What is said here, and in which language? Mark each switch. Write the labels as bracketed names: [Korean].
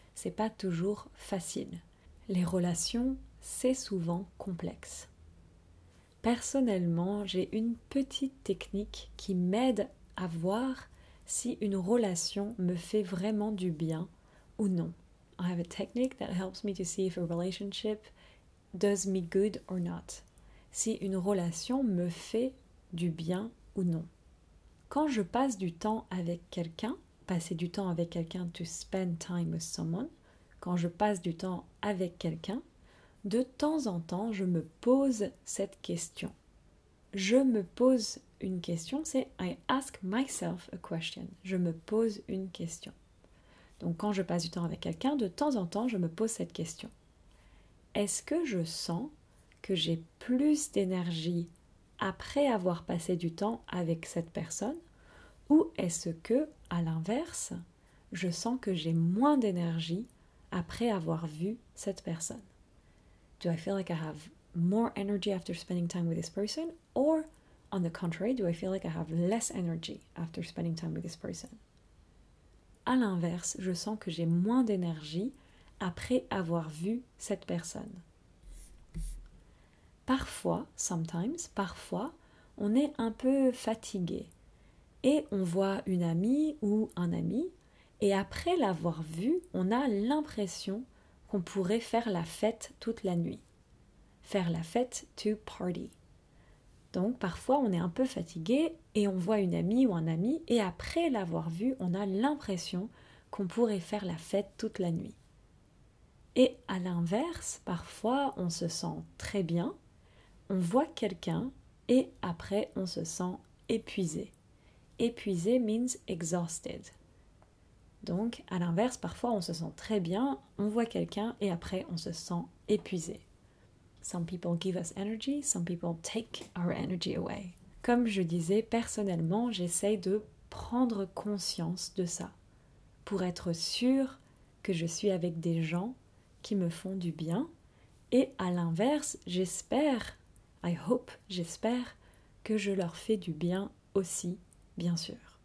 [French] C'est pas toujours facile. Les relations, c'est souvent complexe. Personnellement, j'ai une petite technique qui m'aide à voir si une relation me fait vraiment du bien ou non. [English] I have a technique that helps me to see if a relationship does me good or not. [French] Si une relation me fait du bien ou non. Quand je passe du temps avec quelqu'un, passer du temps avec quelqu'un, [English] to spend time with someone, [French] quand je passe du temps avec quelqu'un, de temps en temps, je me pose cette question. Je me pose une question, c'est [English] I ask myself a question. [French] Je me pose une question. Donc quand je passe du temps avec quelqu'un, de temps en temps, je me pose cette question. Est-ce que je sens que j'ai plus d'énergie après avoir passé du temps avec cette personne? Ou est-ce que, à l'inverse, je sens que j'ai moins d'énergie après avoir vu cette personne? [English] Do I feel like I have more energy after spending time with this person? Or, on the contrary, do I feel like I have less energy after spending time with this person? [French] À l'inverse, je sens que j'ai moins d'énergie après avoir vu cette personne. Parfois, [English] sometimes, [French] parfois, on est un peu fatigué et on voit une amie ou un ami et après l'avoir vu, on a l'impression qu'on pourrait faire la fête toute la nuit. Faire la fête, [English] to party. [French] Donc parfois on est un peu fatigué et on voit une amie ou un ami et après l'avoir vu, on a l'impression qu'on pourrait faire la fête toute la nuit. Et à l'inverse, parfois on se sent très bien, on voit quelqu'un et après on se sent épuisé. Épuisé [English] means exhausted. [French] Donc à l'inverse, parfois on se sent très bien, on voit quelqu'un et après on se sent épuisé. [English] Some people give us energy, some people take our energy away. [French] Comme je disais, personnellement, j'essaye de prendre conscience de ça pour être sûre que je suis avec des gens qui me font du bien. Et à l'inverse, j'espère, [English] I hope, [French] j'espère que je leur fais du bien aussi, bien sûr.